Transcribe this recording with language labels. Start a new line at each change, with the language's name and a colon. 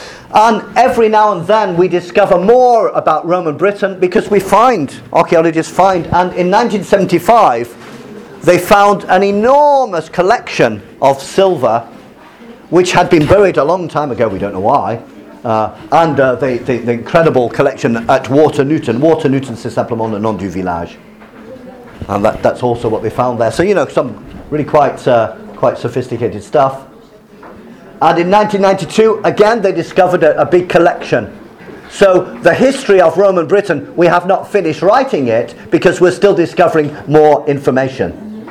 English: And every now and then we discover more about Roman Britain because we find, archaeologists find, and in 1975 they found an enormous collection of silver which had been buried a long time ago, we don't know why, and the incredible collection at Water Newton.
French: Water Newton, c'est simplement le nom du village.
English: And that's also what they found there. So, you know, some really quite sophisticated stuff. And in 1992, again, they discovered a big collection. So the history of Roman Britain, we have not finished writing it because we're still discovering more information.